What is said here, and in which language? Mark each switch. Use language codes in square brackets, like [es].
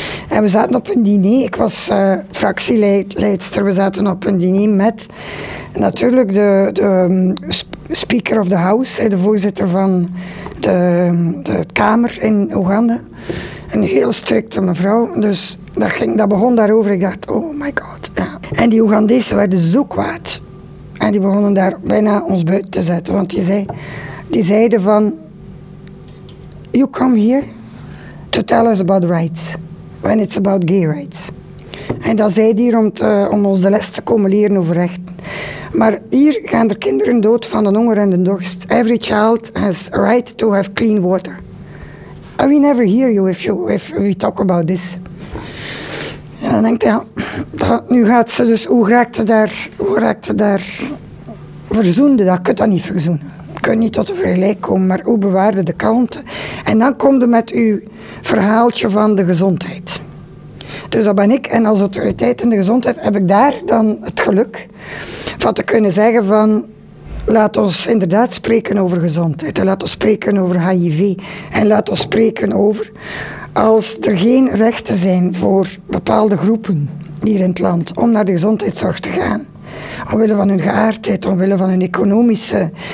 [nl] En we zaten op een diner, ik was fractieleidster, we zaten op een diner met natuurlijk de Speaker of the House, de voorzitter van de Kamer in Oeganda. Een heel strikte mevrouw, dus dat begon daarover. Ik dacht, [en] oh my god. [nl] Ja. En die Oegandese werden zo kwaad. En die begonnen daar bijna ons buiten te zetten. Want die zeiden van, [en] you come here to tell us about rights, when it's about gay rights. [nl] En dat zei die hier om ons de les te komen leren over rechten. Maar hier gaan er kinderen dood van de honger en de dorst. [en] Every child has a right to have clean water. We never hear you if we talk about this. [nl] En dan denkt hij, ja, nu gaat ze dus, hoe raakte daar verzoende? Dat kun je dat niet verzoenen. Je kunt niet tot een vergelijk komen, maar hoe bewaarde de kalmte? En dan komt er met uw verhaaltje van de gezondheid. Dus dat ben ik, en als autoriteit in de gezondheid heb ik daar dan het geluk van te kunnen zeggen van, laat ons inderdaad spreken over gezondheid en laat ons spreken over HIV en laat ons spreken over als er geen rechten zijn voor bepaalde groepen hier in het land om naar de gezondheidszorg te gaan, omwille van hun geaardheid, omwille van hun economische...